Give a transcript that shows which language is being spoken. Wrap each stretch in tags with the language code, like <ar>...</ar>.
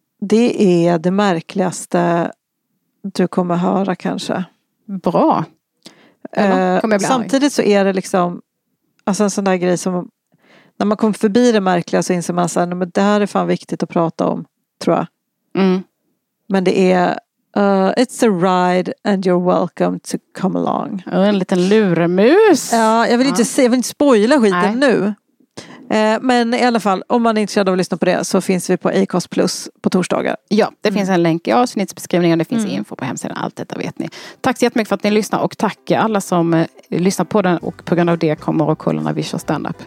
<sv>Det är det märkligaste du kommer höra kanske. Bra. Samtidigt så är det liksom, alltså en sån där grej som när man kommer förbi det märkliga så inser man så här, men det här är fan viktigt att prata om, tror jag. Mm. Men det är</sv> <en>It's a ride and you're welcome to come along.</en> <sv>Oh, en liten luremus. Jag vill inte spoila skiten nu. Men i alla fall, om man är intresserad av att lyssna på det så finns vi på Acast Plus på torsdagar. Ja, det finns en länk i avsnittsbeskrivningen. Det finns info på hemsidan. Allt detta vet ni. Tack så jättemycket för att ni lyssnar. Och tack alla som lyssnar på den. Och på grund av det kommer och kollar när vi kör stand-up.</sv>